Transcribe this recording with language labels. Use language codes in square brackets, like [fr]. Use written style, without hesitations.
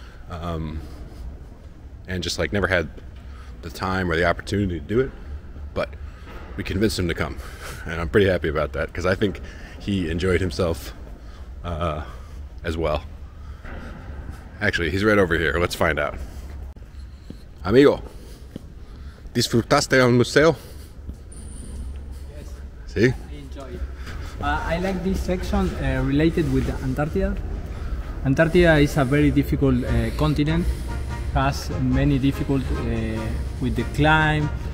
[en] And just, like, never had the time or the opportunity to do it. But we convinced him to come. And I'm pretty happy about that, because I think he enjoyed himself as well. Actually, he's right over here. Let's find out. [es] Amigo, disfrutaste el museo? [en] Yes. [es] Si? [en] I enjoy it. I like this section related with Antarctica. Antarctica is a very difficult continent. Has many difficult with the climb.